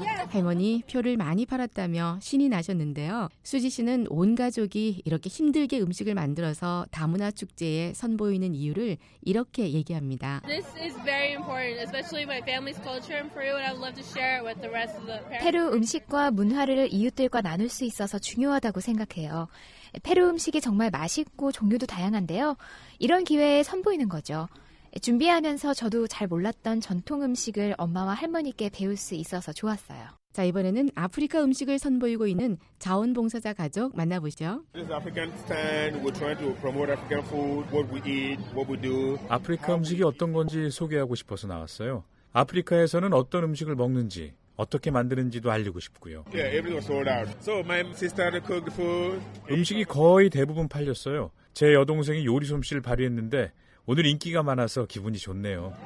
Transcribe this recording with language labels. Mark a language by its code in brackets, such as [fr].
[ko] 할머니 표를 많이 팔았다며 신이 나셨는데요. 수지 씨는 온 가족이 이렇게 힘들게 음식을 만들어서 다문화 축제에 선보이는 이유를 이렇게 얘기합니다. [en] This is very important, especially my family's culture in Peru, and I'd love to share it with the rest of the parents. [ko] 페루 음식과 문화를 이웃들과 나눌 수 있어서 중요하다고 생각해요. 페루 음식이 정말 맛있고 종류도 다양한데요. 이런 기회에 선보이는 거죠. 준비하면서 저도 잘 몰랐던 전통 음식을 엄마와 할머니께 배울 수 있어서 좋았어요. 자, 이번에는 아프리카 음식을 선보이고 있는 자원봉사자 가족 만나보시죠. [en] This is African stand. We're trying to promote African food, what we eat, what we do. [ko] 아프리카 음식이 어떤 건지 소개하고 싶어서 나왔어요. 아프리카에서는 어떤 음식을 먹는지 어떻게 만드는지도 알리고 싶고요. [en] Yeah, everything sold out. So my sister cooked food. [ko] 음식이 거의 대부분 팔렸어요. 제 여동생이 요리 솜씨를 발휘했는데 오늘 인기가 많아서 기분이 좋네요.